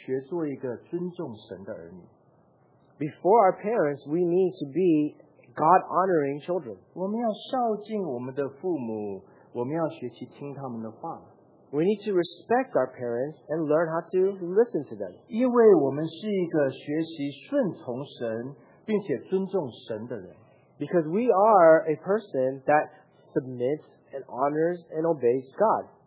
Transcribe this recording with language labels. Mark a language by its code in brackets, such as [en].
[zh] 我们要在父母的面前学做一个尊重神的儿女。 [en] Before our parents, we need to be God-honoring children. [zh] 我们要孝敬我们的父母，我们要学习听他们的话。 [en] We need to respect our parents and learn how to listen to them. [zh] 因为我们是一个学习顺从神并且尊重神的人。 [en] Because we are a person that submits and honors and obeys God.